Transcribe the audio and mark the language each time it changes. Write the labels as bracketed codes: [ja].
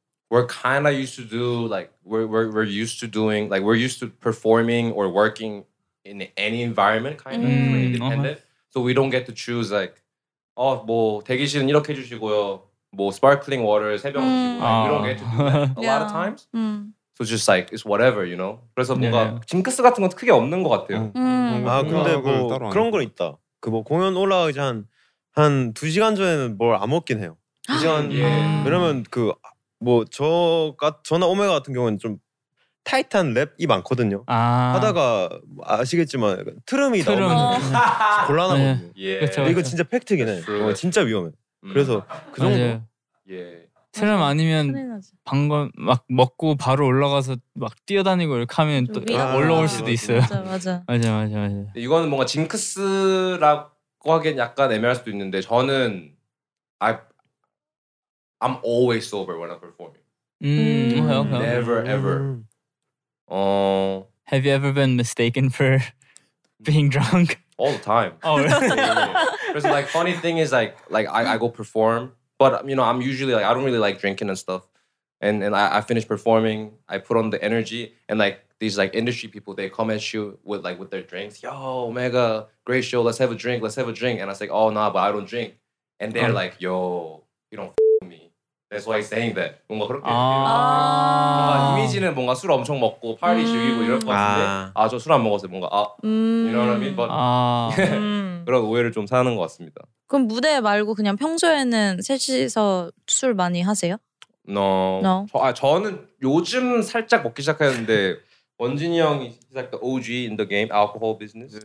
[en] We're kind of used to do like we're used to doing like we're used to performing or working in any environment kind of independent so we don't get to choose like [ko] 어 뭐 대기실은 이렇게 해주시고요 뭐 sparkling water 세 병 주시고 [en] we don't get to do that a lot of times So it's just like, it's whatever, you know? [ko] 그래서 뭔가 징크스 같은 건 크게 없는 것 같아요. 아, 근데 뭐 그런 건 있다. 그 뭐 공연 올라가기 한 2시간 전에는 뭘 안 먹긴 해요. 2시간, 왜냐면 그 뭐 저나 오메가 같은 경우는 좀 타이트한 랩이 많거든요. 아. 하다가 아시겠지만 트름이 나오면 곤란하거든요. 이거 진짜 팩트긴 해. 진짜 위험해. 그래서 그 정도. 트럼 아니면 방금 막 먹고 바로 올라가서 막 뛰어다니고 이렇게 하면 또 올라올 수도 있어요. 맞아. 이거는 뭔가 징크스라고 하기엔 약간 애매할 수도 있는데 저는 [en] I'm always sober when I perform. Okay. Never ever. Have you ever been mistaken for being drunk? All the time. Oh, really? Because like funny thing is like I go perform. But you know, I'm usually like I don't really like drinking and stuff. And I finish performing, I put on the energy, and like these like industry people, they come at you with their drinks. Yo, Omega, great show. Let's have a drink. And I say, oh nah, but I don't drink. And they're like, yo, you don't f me. That's why he's saying that. [ko] 뭔가 그렇게. 아. 이미지는 뭔가 술 엄청 먹고 파티 즐기고 이럴 것 같은데 아 저 술 안 먹었어요. 뭔가 아. [en] You know what I mean? But [ko] 그런 오해를 좀 사는 것 같습니다. 그럼 무대 말고 그냥 평소에는 셋이서 술 많이 하세요? [en] No. [ko] 저는 요즘 살짝 먹기 시작했는데 원진이 형이 [en] like the OG in the game, alcohol business.